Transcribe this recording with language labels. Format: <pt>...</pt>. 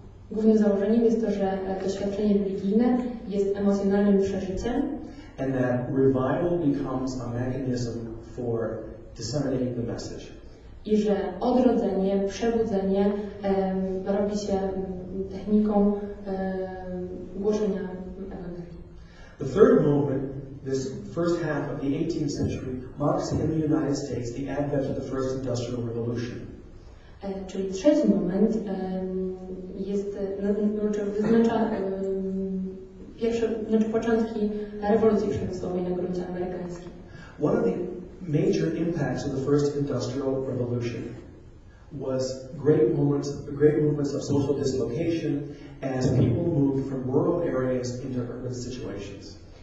<pl>Głównym założeniem jest to, że doświadczenie religijne jest emocjonalnym przeżyciem.</pl> <en>And that revival becomes a mechanism for disseminating the message.</en> <pl>I że odrodzenie, przebudzenie robi się techniką głoszenia Ewangelii.</pl> <en>The third moment, this first half of the 18th century, marks in the United States the advent of the first industrial revolution.</en> <pl>Czyli trzeci moment jest, wyznacza pierwsze, znaczy początki rewolucji przemysłowej na gruncie amerykańskim.</pl> <en>One of the major impacts of the first industrial revolution was great movements of social dislocation as people moved from rural areas into urban situations.</en>